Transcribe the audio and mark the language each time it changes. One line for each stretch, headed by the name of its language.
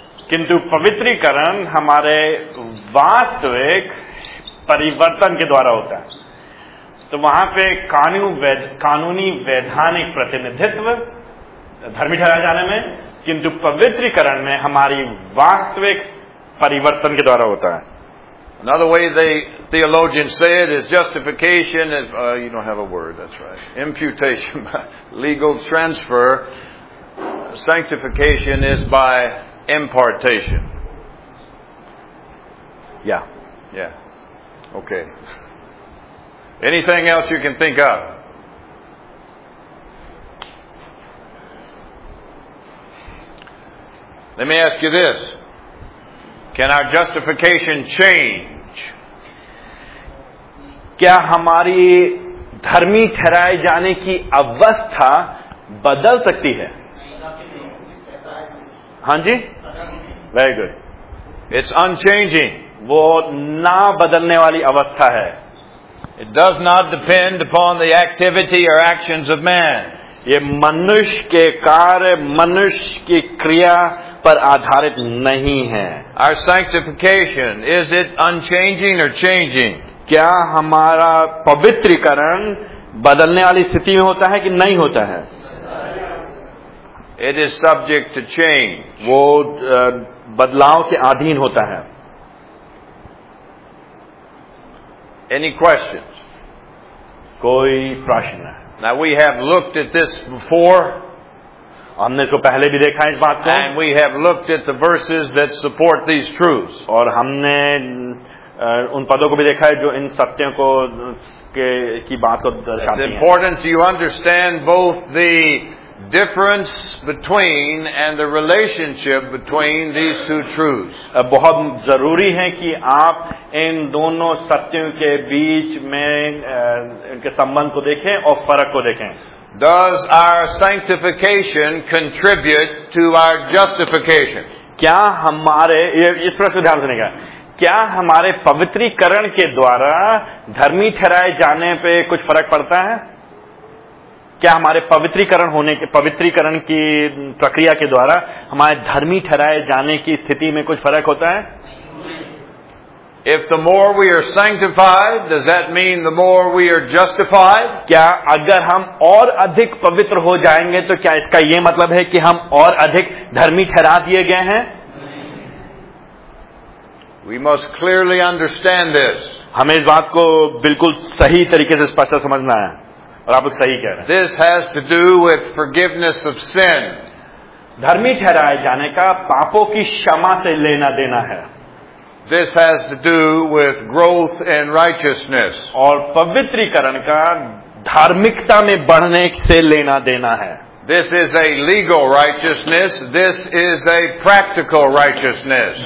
Hindi: किंतु पवित्रीकरण हमारे वास्तविक परिवर्तन के द्वारा होता है. तो वहां पे कानूनी वैधानिक प्रतिनिधित्व धर्मी ठहराए जाने में, किंतु पवित्रीकरण में हमारी वास्तविक परिवर्तन के द्वारा होता है.
English: Another way the theologians say it is justification is you don't have a word, that's right. Imputation, legal transfer. Sanctification is by impartation. Yeah. Yeah. Okay. Anything else you can think of? Let me ask you this. Can our justification change?
Hindi: क्या हमारी धर्मी ठहराए जाने की अवस्था बदल सकती है? हाँ जी?
English: Very good. It's unchanging.
Hindi: वो ना बदलने वाली अवस्था है.
English: It does not depend upon the activity or actions of man.
Hindi: ये मनुष्य के कार्य, मनुष्य की क्रिया पर आधारित नहीं है.
English: Our sanctification, is it unchanging or changing?
Hindi: क्या हमारा पवित्रीकरण बदलने वाली स्थिति में होता है कि नहीं होता है?
English: It is subject to change.
Hindi: वो बदलाव के अधीन होता है.
English: Any questions?
Hindi: Koi prashna.
English: Now we have looked at this before.
Hindi: हमने इसको पहले भी देखा है इस बात को.
English: And we have looked at the verses that support these truths.
Hindi: और हमने उन पदों को भी देखा है जो इन सत्यों को की बात को दर्शाती हैं.
English: It's important to you understand both the difference between and the relationship between these two truths.
Hindi: बहुत जरूरी है कि आप इन दोनों सत्यों के बीच में इनके संबंध को देखें और फर्क को देखें.
English: Does our sanctification contribute to our justification?
Hindi: क्या हमारे इस प्रश्न को ध्यान से देखा, क्या हमारे पवित्रीकरण के द्वारा धर्मी ठहराए जाने पे कुछ फर्क पड़ता है? क्या हमारे पवित्रीकरण होने के पवित्रीकरण की प्रक्रिया के द्वारा हमारे धर्मी ठहराए जाने की स्थिति में कुछ फर्क होता है?
English: If the more we are sanctified, does that mean the more we are justified?
Hindi: क्या अगर हम और अधिक पवित्र हो जाएंगे तो क्या इसका यह मतलब है कि हम और अधिक धर्मी ठहरा दिए गए हैं?
English: We must clearly understand this.
Hindi: हमें इस बात को बिल्कुल सही तरीके से स्पष्ट समझना है.
English: This has to do with forgiveness of sin.
Hindi: धर्मी ठहराए जाने का पापों की क्षमा से लेना देना है.
English: This has to do with growth in righteousness.
Hindi: और पवित्रीकरण का धार्मिकता में बढ़ने से लेना देना है.
English: This is a legal righteousness. This is a practical righteousness.